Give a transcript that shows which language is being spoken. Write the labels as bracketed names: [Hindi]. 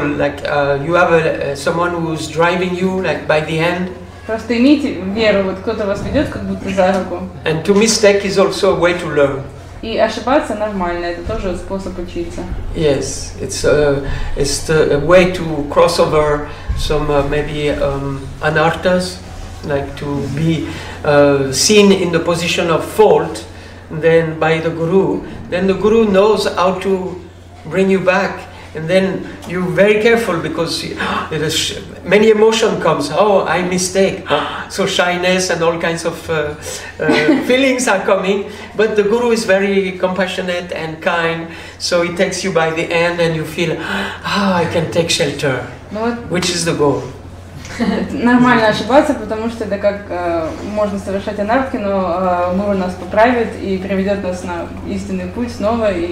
[English] Like, you have someone who is driving you, like, by the hand. [Russian] Просто имейте веру, вот кто-то вас ведет, как будто за руку. [English] And to mistake is also a way to learn. [Russian] И ошибаться нормально, это тоже способ учиться. [English] Yes, it's a way to cross over some anarthas. Like to be seen in the position of fault, then by the guru, then the guru knows how to bring you back, and then you're very careful because many emotion comes. Oh, I mistake. So shyness and all kinds of feelings are coming, but the guru is very compassionate and kind. So he takes you by the hand, and you feel, I can take shelter, which is the goal. [Russian] Нормально ошибаться, потому что это как можно совершать анартхи, но Гуру нас поправит и приведет нас на истинный путь снова и